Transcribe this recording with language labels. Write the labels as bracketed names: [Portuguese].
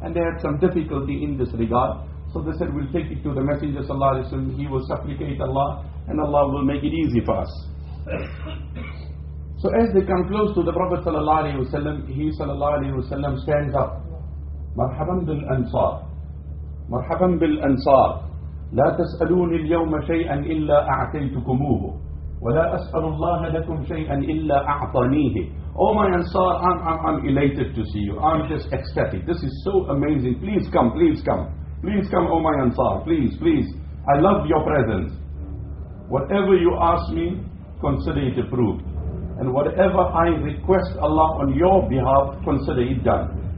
[English] And they had some difficulty in this regard. So they said, we'll take it to the Messenger sallallahu alayhi wa sallam, he will supplicate Allah and Allah will make it easy for us. So as they come close to the Prophet sallallahu alayhi wa sallam, he sallallahu alayhi wa sallam stands up. [Arabic] Marhaban bil Ansar. Marhaban bil Ansar. لا تسألون اليوم شيئا إلا أعطيتكموه ولا أسأل الله لكم شيئا إلا أعطانيه. [English] Oh my Ansar, I'm elated to see you. I'm just ecstatic. This is so amazing. Please come, please come. Please come, oh my Ansar. Please, please. I love your presence. Whatever you ask me, consider it approved. And whatever I request Allah on your behalf, consider it done.